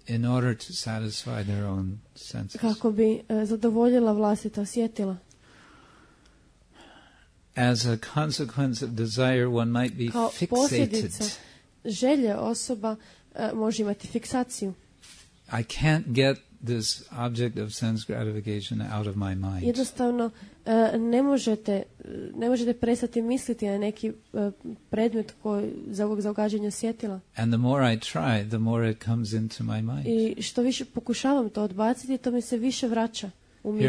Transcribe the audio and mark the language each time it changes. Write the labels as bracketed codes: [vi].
[en] In order to satisfy their own senses. [hr] Kako bi zadovoljila vlastita osjetila. [en] As a consequence of desire, one might be [hr] kao [en] fixated. [hr] Kao posljedica želje, osoba može imati fiksaciju. [en] I can't get this object of sense gratification out of my mind. [hr] Jednostavno ne možete prestati misliti na neki predmet koji za ugađanje osjetila. [en] And the more I try, the more it comes into my mind. [hr] I što više pokušavam to odbaciti, to mi se više vraća u misli.